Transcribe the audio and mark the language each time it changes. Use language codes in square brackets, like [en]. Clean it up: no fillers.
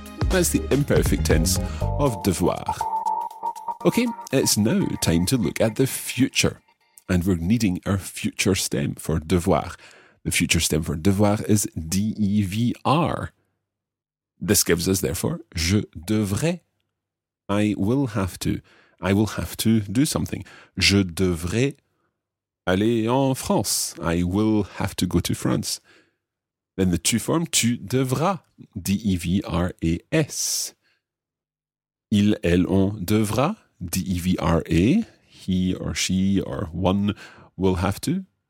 [en] That's the imperfect tense of devoir. Okay, it's now time to look at the future. And we're needing our future stem for devoir. The future stem for devoir is D-E-V-R. This gives us, therefore, [fr] je devrais. [en] I will have to. I will have to do something. [fr] Je devrais aller en France. [en] I will have to go to France. Then the tu form, [fr] tu devras. D-E-V-R-A-S. Ils, elles, on devra. [en] D-E-V-R-A, he or she or one will have to.